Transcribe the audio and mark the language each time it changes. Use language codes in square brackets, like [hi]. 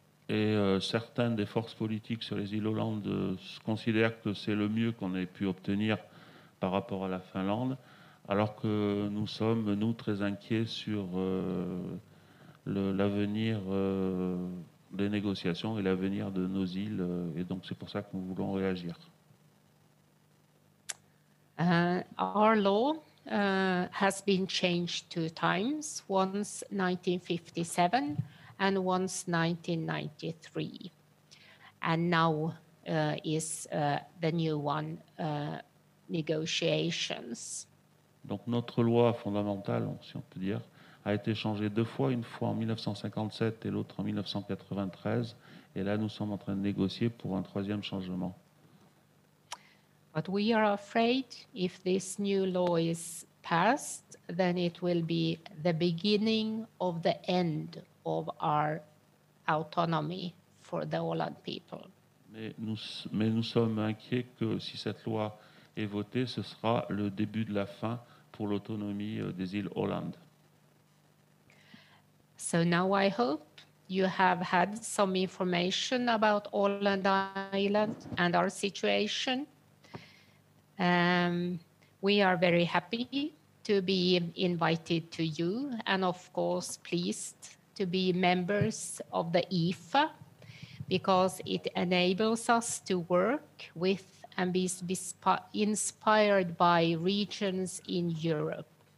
[fr] Et certaines des forces politiques sur les îles Åland considèrent que c'est le mieux qu'on ait pu obtenir par rapport à la Finlande, alors que nous sommes, nous, très inquiets sur l'avenir des négociations et l'avenir de nos îles, et donc c'est pour ça que nous voulons réagir. [en] Our law has been changed two times, once 1957 and once 1993. And now is the new one, negotiations. [fr] Donc notre loi fondamentale, si on peut dire, a été changée deux fois, une fois en 1957 et l'autre en 1993. Et là, nous sommes en train de négocier pour un troisième changement. [en] But we are afraid if this new law is passed, then it will be the beginning of the end of our autonomy for the Åland people. [fr] Mais nous sommes inquiets que si cette loi est votée, ce sera le début de la fin pour l'autonomie des îles Åland. [en] So now I hope you have had some information about Åland Island and our situation. We are very happy to be invited to you and of course pleased to be members of the IFA, because it enables us to work with and be inspired by regions in Europe.